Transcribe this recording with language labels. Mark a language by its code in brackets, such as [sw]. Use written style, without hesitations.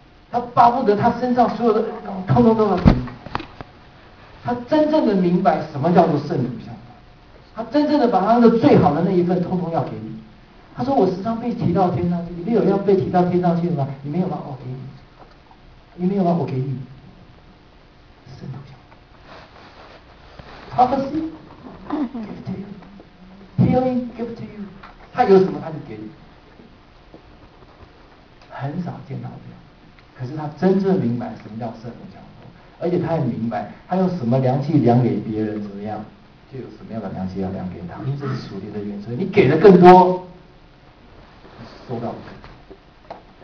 [zh] 他巴不得他身上所有的通通都要给你。他真正的明白什么叫做圣徒相通，他真正的把他的最好的那一份通通要给你。他说：“我时常被提到天上去，你没有要被提到天上去的吗？你没有吗？我给你，你没有吗？我给你，圣徒相通。 [en] Prophecy give to you, healing give to you， [zh] 他有什么他就给你。很少见到这样，可是他真正明白什么叫圣徒相通。” 而且他很明白，他用什么凉气凉给别人怎么样，就有什么样的凉气要凉给他。因为这是属灵的原则，你给的更多，收到的更多。